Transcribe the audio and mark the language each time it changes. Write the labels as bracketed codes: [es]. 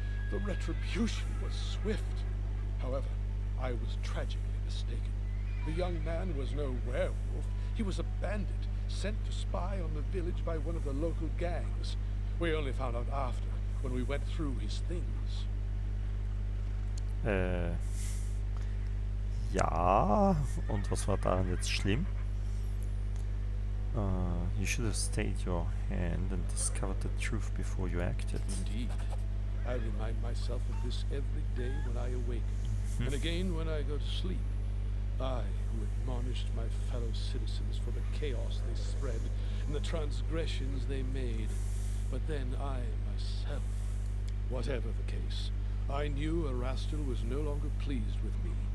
[en] The retribution was swift. However, I was tragically mistaken. The young man was no werewolf. He was a bandit, sent to spy on the village by one of the local gangs. We only found out after, when we went through his things. [de] Ja, und was war daran jetzt schlimm? [en] You should have stayed your hand and discovered the truth before you acted. Indeed. I remind myself of this every day when I awaken, and again when I go to sleep. I, who admonished my fellow citizens for the chaos they spread and the transgressions they made, but then I myself, whatever the case, I knew Erastil was no longer pleased with me.